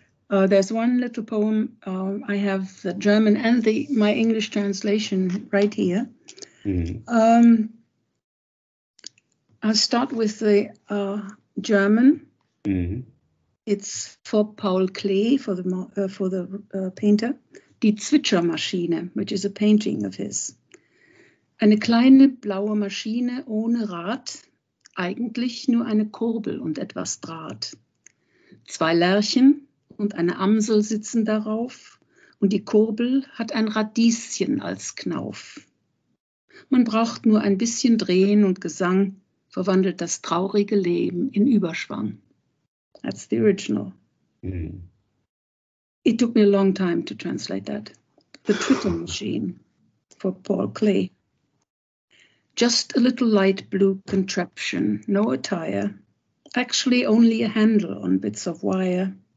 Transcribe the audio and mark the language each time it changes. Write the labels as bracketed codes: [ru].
[en] There's one little poem, I have the German and my English translation right here. Mm-hmm. I'll start with the German. Mm-hmm. It's for Paul Klee, for the painter. Die Zwitschermaschine, which is a painting of his. [de] Eine kleine blaue Maschine ohne Rad, eigentlich nur eine Kurbel und etwas Draht. Zwei Lerchen und eine Amsel sitzen darauf und die Kurbel hat ein Radieschen als Knauf. Man braucht nur ein bisschen Drehen und Gesang, verwandelt das traurige Leben in Überschwang. [en] That's the original. Mm-hmm. It took me a long time to translate that. The Twitter machine for Paul Klee. Just a little light blue contraption, no attire, actually only a handle on bits of wire.